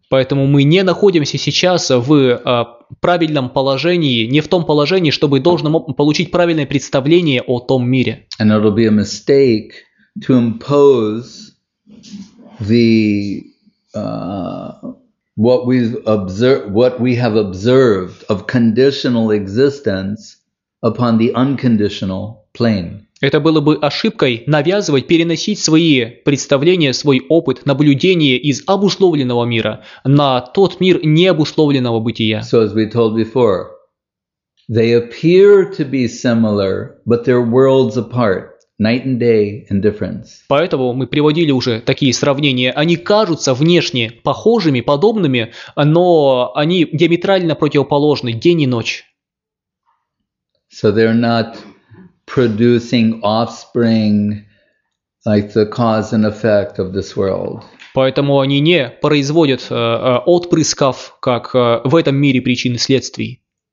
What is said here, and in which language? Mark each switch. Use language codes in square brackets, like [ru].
[ru] Поэтому мы не находимся сейчас в правильном положении, не в том положении, чтобы должно получить правильное представление о том мире. [en] And it'll be a mistake to impose the what we have observed of conditional existence upon the unconditional plane. [ru] Это было бы ошибкой навязывать, переносить свои представления, свой опыт, наблюдения из обусловленного мира на тот мир необусловленного бытия. [en] So as we told before, they appear to be similar, but they're worlds apart. Night and day and difference. [ru] Поэтому мы приводили уже такие сравнения. Они кажутся внешне похожими, подобными, но они диаметрально противоположны, день и ночь. [en] So they're not producing offspring like the cause and effect of this world. [ru] Поэтому они не производят отпрысков, как в этом мире причин и следствий.